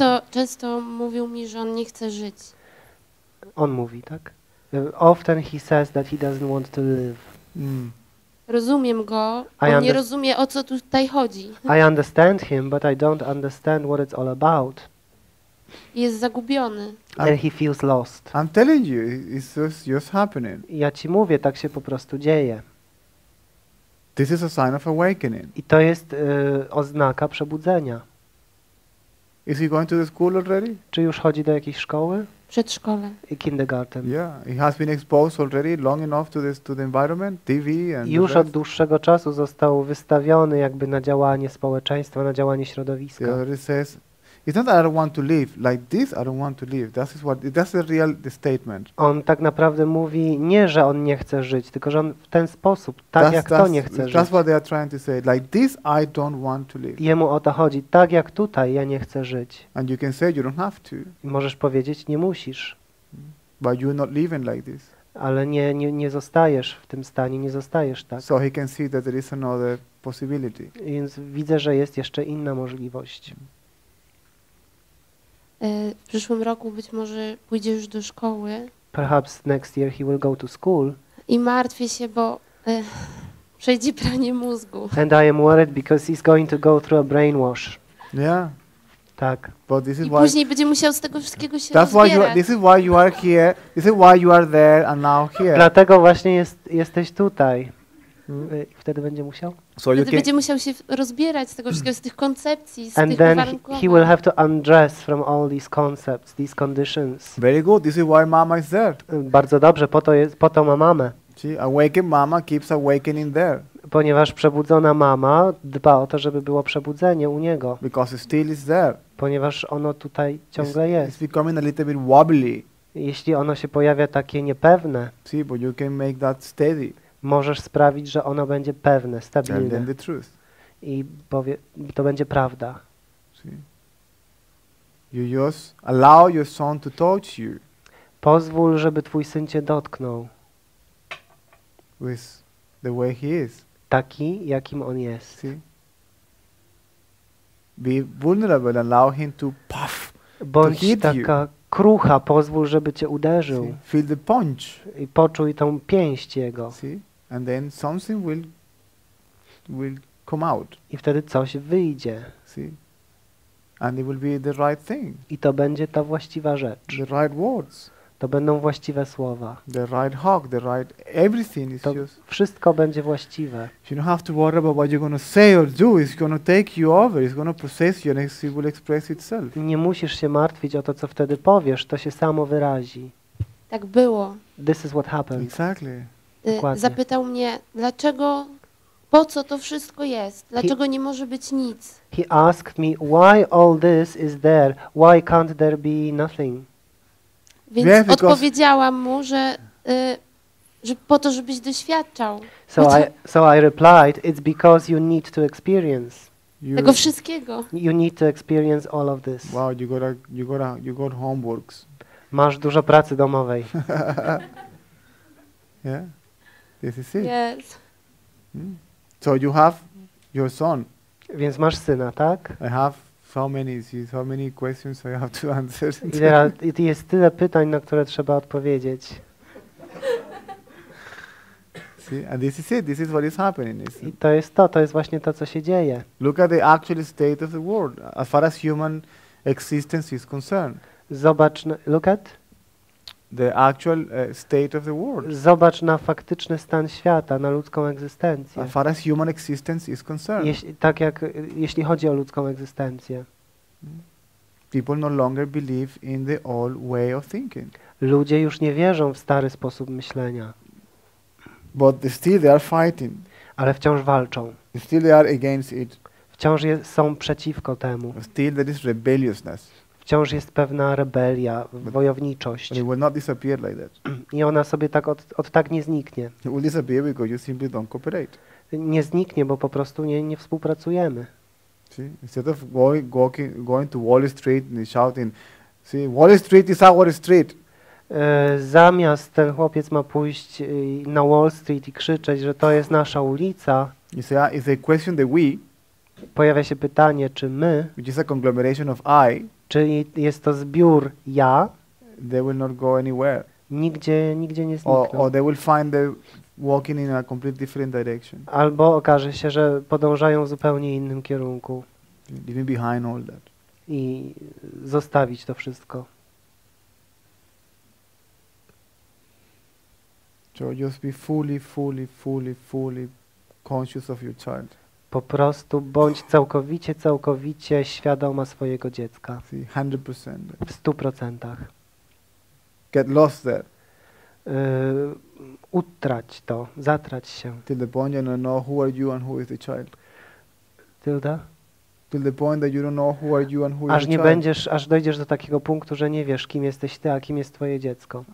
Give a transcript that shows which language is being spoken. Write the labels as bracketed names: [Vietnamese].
[Polish] Często mówił mi, że on nie chce żyć. On mówi, tak? [English] Often he says that he doesn't want to live. [Polish] Rozumiem go, on nie rozumie, o co tutaj chodzi. [English] I understand him, but I don't understand what it's all about. [Polish] Jest zagubiony. [English] And he feels lost. I'm telling you, it's just happening. [Polish] Ja ci mówię, tak się po prostu dzieje. [English] This is a sign of awakening. [Polish] I to jest oznaka przebudzenia. [English] Is he going to the school already? [Polish] Czy już chodzi do jakiejś szkoły? Przedszkole. [English] I kindergarten. Yeah, he has been exposed already long enough to the environment, TV and. [Polish] Już od dłuższego czasu został wystawiony jakby na działanie społeczeństwa, na działanie środowiska. [English] Yeah, he says, it's not that I don't want to live like this. I don't want to live. That's the real statement. [Polish] On tak naprawdę mówi nie, że on nie chce żyć, tylko że on w ten sposób, tak jak to nie chce żyć. [English] That's what they are trying to say. Like this, I don't want to live. [Polish] Jemu o to chodzi. Tak jak tutaj, ja nie chcę żyć. [English] And you can say you don't have to. [Polish] Możesz powiedzieć, nie musisz. [English] But you're not living like this. [Polish] ale nie zostajesz w tym stanie, nie zostajesz tak. [English] So he can see that there is another possibility. [Polish] Więc widzę, że jest jeszcze inna możliwość. W przyszłym roku być może pójdzie już do szkoły. [English] Perhaps next year he will go to school. [Polish] I martwię się, bo przejdzie pranie mózgu. [English] And I am worried because he's going to go through a brainwash. Yeah. [Polish] Tak. [English] But this is I why [Polish] później będzie musiał z tego wszystkiego się rozbierać. [English] That's why you, this is why you are here. This is why you are there and now here. [Polish] Dlatego właśnie jesteś tutaj. Wtedy będzie musiał? So wtedy będzie musiał się rozbierać z tego wszystkiego, z tych koncepcji, z [English] and [Polish] tych [English] then he will have to undress from all these concepts, these conditions. Very good. This is why mama is there. [Polish] Bardzo dobrze, po to ma mamę. [English] See, awakened mama keeps awakening there. [Polish] Ponieważ przebudzona mama dba o to, żeby było przebudzenie u niego. [English] Because it still is there. [Polish] Ponieważ ono tutaj ciągle jest. [English] It's becoming a little bit wobbly. [Polish] Jeśli ono się pojawia takie niepewne. [English] See, but you can make that steady. [Polish] Możesz sprawić, że ono będzie pewne, stabilne. [English] The truth. [Polish] I powie, to będzie prawda. [English] See? You just allow your son to touch you. [Polish] Pozwól, żeby twój syn cię dotknął. [English] With the way he is. [Polish] Taki, jakim on jest. [English] See? Be vulnerable, allow him to puff. [Polish] Bądź [English] to hit [Polish] taka [English] you. [Polish] Krucha, pozwól, żeby cię uderzył. [English] See? Feel the punch. [Polish] I poczuj tą pięść jego. [English] See? And then something will come out. [Polish] I wtedy coś wyjdzie. [English] See? And it will be the right thing. [Polish] I to będzie ta właściwa rzecz. [English] The right words. [Polish] To będą właściwe słowa. [English] The right hug, the right everything is [Polish] to [English] just. [Polish] Wszystko będzie właściwe. [English] You don't have to worry about what you're going to say or do. It's going to take you over. It's going to possess you and it will express itself. [Polish] Nie musisz się martwić o to, co wtedy powiesz. To się samo wyrazi. Tak było. [English] This is what happened. Exactly. [Polish] Dokładnie. Zapytał mnie, dlaczego, po co to wszystko jest? Dlaczego nie może być nic? [English] He asked me, why all this is there? Why can't there be nothing? [Polish] Więc yeah, odpowiedziałam mu, że po to, żebyś doświadczał. [English] So I replied, it's because you need to experience. [Polish] Tego wszystkiego. [English] You need to experience all of this. Wow, you got homeworks. [Polish] Masz dużo pracy domowej. [English] Yeah. This is it. Yes. So you have your son. [Polish] Więc masz syna, tak? [English] I have so many questions I have to answer. [Polish] Yeah, jest tyle pytań, na które trzeba odpowiedzieć. [English] See, and this is it. This is what is happening. [Polish] I to jest to. To jest właśnie to, co się dzieje. [English] Look at the actual state of the world as far as human existence is concerned. [Polish] Zobacz. [English] Look at. The actual state of the world. [Polish] Zobacz na faktyczny stan świata, na ludzką egzystencję. [English] As far as human existence is concerned. [Polish] Jeśli chodzi o ludzką egzystencję. [English] People no longer believe in the old way of thinking. [Polish] Ludzie już nie wierzą w stary sposób myślenia. [English] But still they are fighting. [Polish] Ale wciąż walczą. [English] Still they are against it. [Polish] Wciąż są przeciwko temu. [English] Still there is rebelliousness. [Polish] Wciąż jest pewna rebelia, wojowniczość. [English] It will not disappear like that. [Polish] I ona sobie tak od tak nie zniknie. [English] It will disappear because you simply don't cooperate. [Polish] Nie zniknie, bo po prostu nie współpracujemy. [English] See? Instead of going to Wall Street and shouting, see, Wall Street is our street. [Polish] Zamiast ten chłopiec ma pójść na Wall Street i krzyczeć, że to jest nasza ulica. [English] If they question the we, [Polish] pojawia się pytanie, czy my, [English] which is a conglomeration of I, [Polish] czyli jest to zbiór ja, [English] they will not go anywhere. [Polish] Nigdzie nie znikną. [English] Or they will find the walking in a completely different direction. [Polish] Albo okaże się, że podążają w zupełnie innym kierunku. [English] Leaving behind all that. [Polish] I zostawić to wszystko. [English] So just be fully conscious of your child. [Polish] Po prostu bądź całkowicie świadoma swojego dziecka. [English] 100%. [Polish] W 100%. [English] Get lost there. [Polish] Utrać to, zatrać się. [English] Till the point you don't know who are you and who is the child. Tilda? Till the point that you don't know who are you and who is [Polish] aż [English] the [Polish] nie [English] child. [Polish] Będziesz, aż dojdziesz do takiego punktu, że nie wiesz, kim jesteś ty, a kim jest twoje dziecko.